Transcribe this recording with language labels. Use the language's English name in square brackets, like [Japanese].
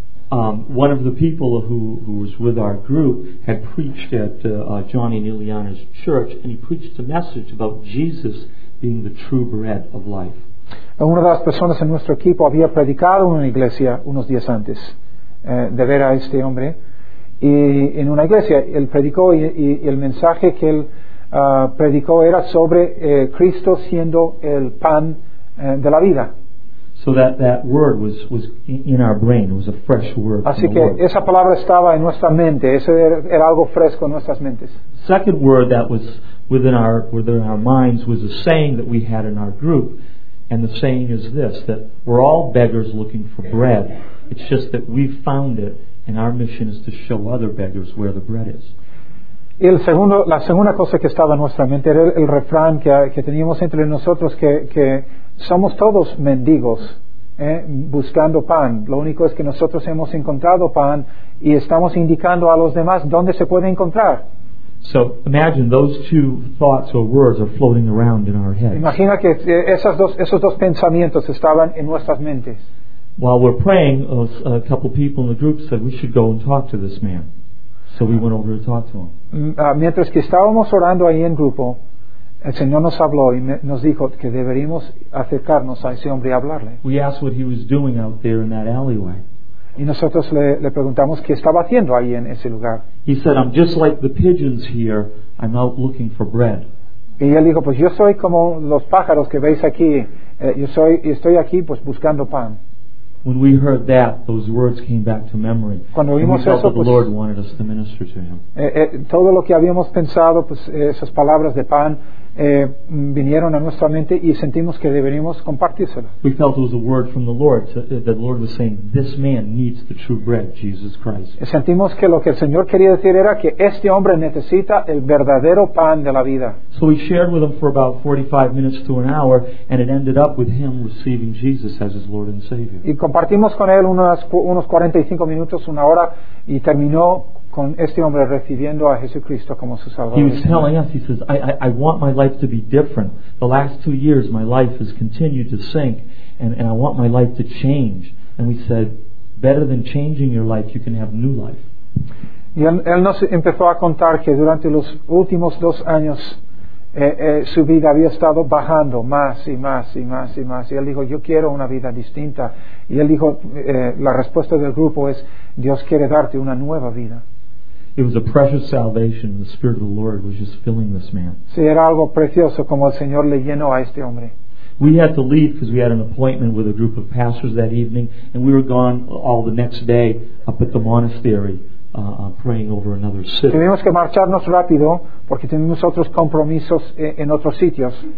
[English] One of the people who was with our group had preached at Johnny and Ileana's church, and he preached a message about Jesus being the true bread of life. [Spanish] Una de las personas en nuestro equipo había predicado en una iglesia unos días antes de ver a este hombre, y en una iglesia él predicó y el mensaje que él predicó era sobre Cristo siendo el pan de la vida. [English] So that word was in our brain. It was a fresh word. [Spanish] Así que esa palabra estaba en nuestra mente. Eso era algo fresco en nuestras mentes. [English] Second word that was within our minds was a saying that we had in our group, and the saying is this: that we're all beggars looking for bread. It's just that we've found it, and our mission is to show other beggars where the bread is. [Spanish] La segunda cosa que estaba en nuestra mente era el refrán que teníamos entre nosotros que somos todos mendigos buscando pan. Lo único es que nosotros hemos encontrado pan y estamos indicando a los demás dónde se puede encontrar. [English] So imagine those two thoughts or words are floating around in our heads. [Spanish] Imagina que esos dos pensamientos estaban en nuestras mentes. [English] While we're praying, a couple people in the group said we should go and talk to this man. So we went over to talk to him. [Spanish] Mientras que estábamos orando ahí en grupo, el Señor nos habló y nos dijo que deberíamos acercarnos a ese hombre y hablarle. [English] We asked what he was doing out there in that alleyway. [Spanish] Y nosotros le preguntamos qué estaba haciendo ahí en ese lugar. [English] He said, "I'm just like the pigeons here. I'm out looking for bread." [Spanish] Y él dijo, pues yo soy como los pájaros que veis aquí. Yo estoy aquí pues buscando pan. [English] When we heard that, those words came back to memory. [Spanish] Cuando [English] and [Spanish] oímos [English] we felt [Spanish] eso, [English] that the [Spanish] pues, [English] Lord wanted us to minister to him. [Spanish] Todo lo que habíamos pensado, pues esas palabras de pan, vinieron a nuestra mente y sentimos que deberíamos compartírselo. [English] We felt it was a word from the Lord, that the Lord was saying, this man needs the true bread, Jesus Christ. [Spanish] Sentimos que lo que el Señor quería decir era que este hombre necesita el verdadero pan de la vida. [English] So we shared with him for about 45 minutes to an hour, and it ended up with him receiving Jesus as his Lord and Savior. [Spanish] Y compartimos con él unos 45 minutos, una hora, y terminó con este hombre recibiendo a Jesucristo como su Salvador. [English] He was telling us, he says, I want my life to be different. The last 2 years my life has continued to sink, and I want my life to change. And we said, better than changing your life, you can have new life. [Spanish] Y él nos empezó a contar que durante los últimos 2 años su vida había estado bajando más y más y más y más, y él dijo, yo quiero una vida distinta. Y él dijo, la respuesta del grupo es, Dios quiere darte una nueva vida. [English] It was a precious salvation, and the Spirit of the Lord was just filling this man. [Spanish] Sí, era algo precioso como el Señor le llenó a este hombre. [English] We had to leave because we had an appointment with a group of pastors that evening, and we were gone all the next day up at the monastery praying over another city. [Spanish] Tuvimos que marcharnos rápido porque tenemos otros compromisos en otros sitios.